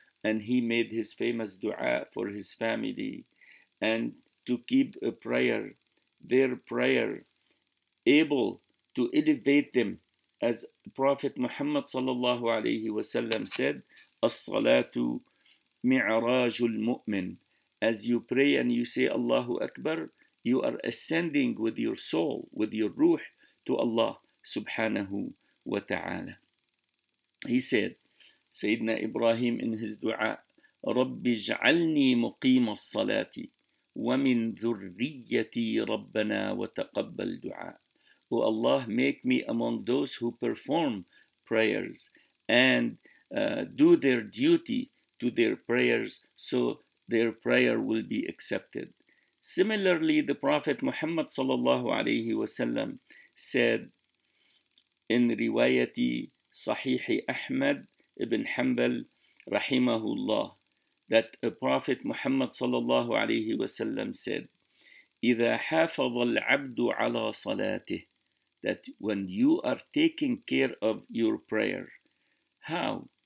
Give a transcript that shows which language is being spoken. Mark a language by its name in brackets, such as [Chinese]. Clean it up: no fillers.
[English] And he made his famous dua for his family and to keep a prayer, their prayer, able to elevate them, as Prophet Muhammad sallallahu alayhi wa sallam said, As-salatu mi'rajul mu'min. As you pray and you say Allahu Akbar, you are ascending with your soul, with your ruh, to Allah subhanahu wa ta'ala. He said, [Arabic] سيدنا إبراهيم إن هز دعاء رب اجعلني مقيم الصلاة ومن ذريتي ربنا وتقبل دعاء. [English] Oh Allah, make me among those who perform prayers and do their duty to their prayers so their prayer will be accepted. Similarly, the Prophet Muhammad sallallahu alayhi wa sallam said in riwayati sahih Ahmad ibn Hanbal rahimahullah that a Prophet Muhammad sallallahu alayhi wa sallam said [Arabic] إِذَا حَافَظَ الْعَبْدُ عَلَى صَلَاتِهِ, [English] that when you are taking care of your prayer, how?